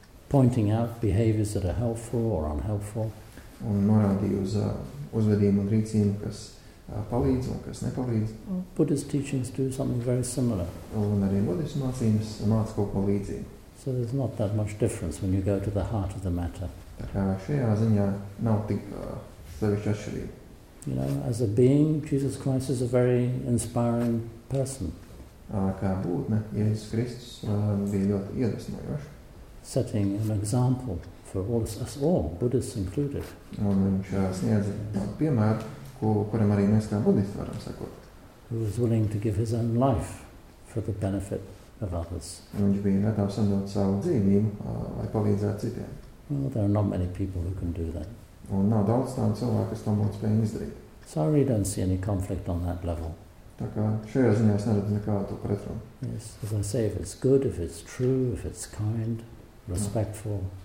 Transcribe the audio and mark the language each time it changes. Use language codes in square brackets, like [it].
[en] Pointing out behaviors that are helpful or unhelpful. [lv] Un norādīt uz uzvedību un rīcību, kas palīdz un kas nepalīdz. [en] Buddhist teachings do something very similar. [lv] Un arī Buddhist mācības māca kaut ko līdzīgi. [en] So there's not that much difference when you go to the heart of the matter. [lv] Tā kā šajā ziņā nav tik sevišķa atšķirība. [en] You know, as a being, Jesus Christ is a very inspiring person. [lv] Kā būtne, Jēzus Kristus bija ļoti iedvesmojošs. [en] Setting an example for all us all, Buddhists included. [lv] Un viņš sniedz piemēru, kuram arī mēs kā budisti varam sakot. [en] Who was willing to give his own life for the benefit of others. [lv] Viņš bija gatavs atdot savu dzīvību, lai palīdzētu citiem. [en] Well, there are not many people who can do that. [lv] Un nav daudz tādu cilvēku, kas to būtu spējis izdarīt. [en] So I really don't see any conflict on that level. [lv] Tā kā šajā ziņā es neredzu nekādu pretrunu. [en] Yes, as I say, if it's good, if it's true, if it's kind, respectful.